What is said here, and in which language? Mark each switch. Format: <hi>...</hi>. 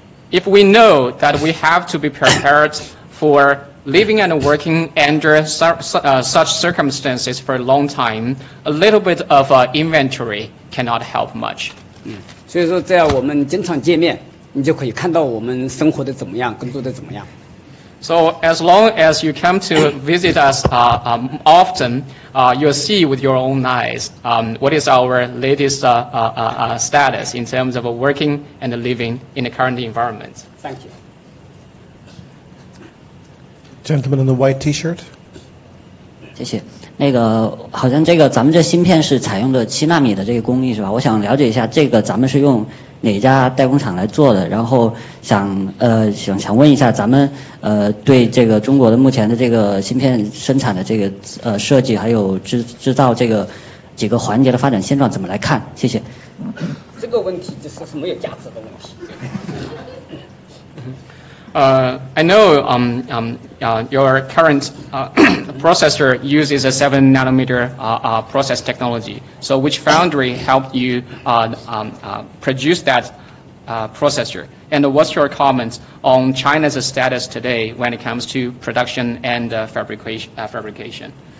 <en>If we know that we have to be prepared for living and working under such circumstances for a long time, a little bit of inventory cannot help much.</en> <zh>所以说在我们经常见面，你就可以看到我们生活的怎么样，工作的怎么样。</zh> <en>So as long as you come to visit us often, you'll see with your own eyes what is our latest status in terms of working and living in the current environment. Thank you. Gentleman in the white T-shirt.</en> <zh>谢谢。那个好像这个咱们这芯片是采用的七纳米的这个工艺是吧？我想了解一下这个咱们是用哪家代工厂来做的，然后想问一下咱们对这个中国的目前的这个芯片生产的这个设计还有制造这个几个环节的发展现状怎么来看？谢谢。这个问题就是没有价值的问题。</zh> <en>I know your current processor uses a 7 nanometer process technology. So which foundry helped you produce that processor? And what's your comments on China's status today when it comes to production and fabrication?</en>